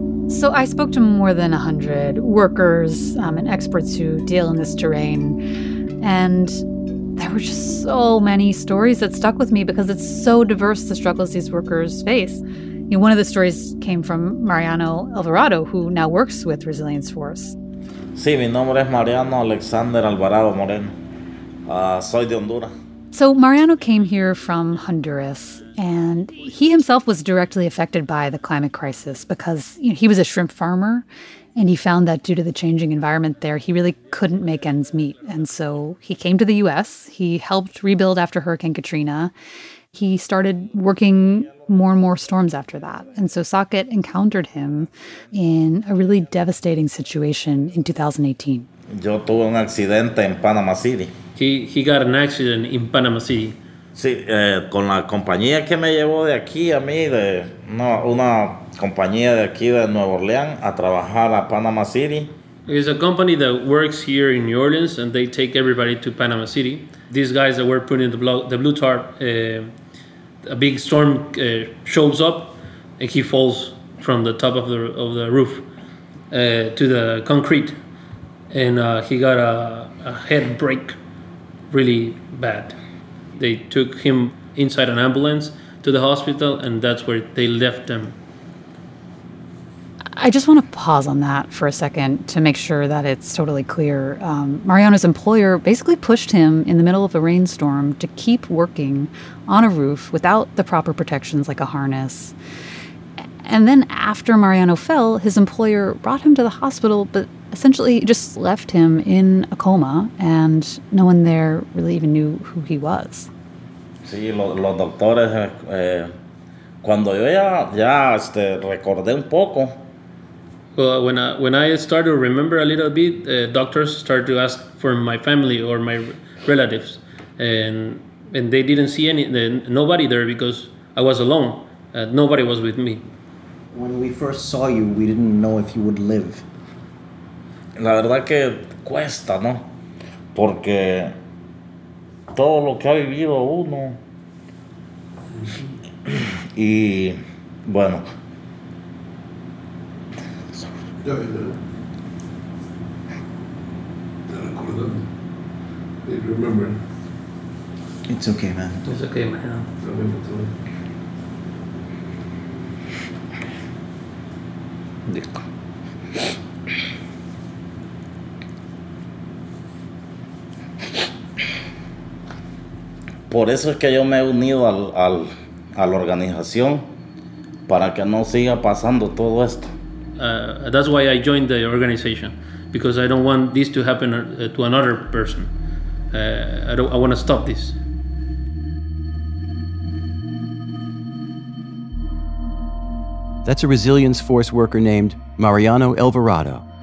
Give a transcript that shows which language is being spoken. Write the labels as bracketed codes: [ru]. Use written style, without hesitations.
[en] So I spoke to more than 100 workers and experts who deal in this terrain. And there were just so many stories that stuck with me because it's so diverse, the struggles these workers face. You know, one of the stories came from Mariano Alvarado, who now works with Resilience Force. [es] Sí, mi nombre es Mariano Alexander Alvarado Moreno. Soy de Honduras. [en] So Mariano came here from Honduras, and he himself was directly affected by the climate crisis because, you know, he was a shrimp farmer, and he found that due to the changing environment there, he really couldn't make ends meet. And so he came to the U.S. He helped rebuild after Hurricane Katrina. He started working more and more storms after that. And so Socket encountered him in a really devastating situation in 2018. [es] Yo tuve un accidente en Panama City. [en] He got an accident in Panama City. [es] Sí, con la compañía que me llevó de aquí a mí, de una compañía de aquí de Nueva Orleans, a trabajar a Panama City. [en] It's a company that works here in New Orleans, and they take everybody to Panama City. These guys that were putting the blue tarp, a big storm shows up, and he falls from the top of the roof to the concrete, and he got a head break really bad. They took him inside an ambulance to the hospital, and that's where they left him. I just want to pause on that for a second to make sure that it's totally clear. Mariano's employer basically pushed him in the middle of a rainstorm to keep working on a roof without the proper protections like a harness. And then after Mariano fell, his employer brought him to the hospital, but essentially just left him in a coma, and no one there really even knew who he was. [es] Sí, los doctores, cuando yo ya recordé un poco. [en] Well, when I started to remember a little bit, doctors started to ask for my family or my relatives, and they didn't see nobody there because I was alone. Nobody was with me. When we first saw you, we didn't know if you would live. [es] La verdad que cuesta, ¿no? Porque todo lo que ha vivido uno. Y bueno. [en] Remember. It's okay, man. It's okay, man. [es] Por eso es que yo me he unido a la organización para que no siga pasando todo esto. [en] That's why I joined the organization, because I don't want this to happen to another person. I want to stop this. That's a resilience force worker named Mariano Alvarado.